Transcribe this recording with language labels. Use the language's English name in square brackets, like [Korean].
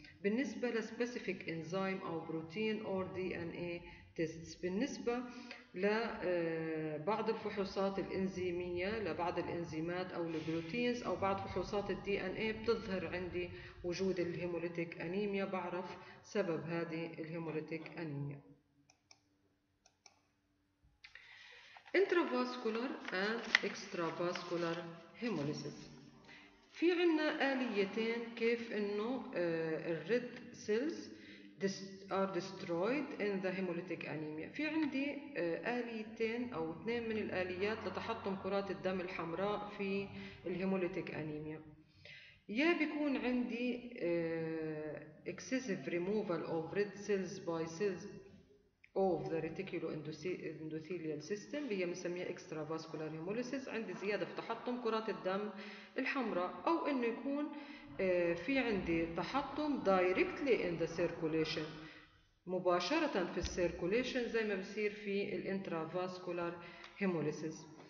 [Arabic] بالنسبة لسبيسيفيك إنزيم أو بروتين أو دي إن إيه، بالنسبة لبعض الفحوصات الإنزيمية لبعض الإنزيمات أو البروتينز أو بعض فحوصات الدي إن إيه بتظهر عندي وجود الهيموليتيك أنيميا، بعرف سبب هذه الهيموليتيك أنيميا. [English] intravascular and extravascular hemolysis، [Arabic] في عنا آليتين كيف إنه الريد سيلز [English] are destroyed in the hemolytic anemia. [Arabic] في عندي آليتين أو 2 من الآليات لتحطم كرات الدم الحمراء في الهيموليتيك أنيميا. يا بيكون عندي [English] excessive removal of red cells by cells of the reticuloendothelial system، [Arabic] اللي هي بنسميها [English] extravascular hemolysis، [Arabic] عندي زيادة في تحطم كرات الدم الحمراء، أو إنه يكون في عندي تحطم [English] directly in the circulation، [Arabic] مباشرة في السيركوليشن زي ما بصير في الانترافاسكولار هيموليسيس.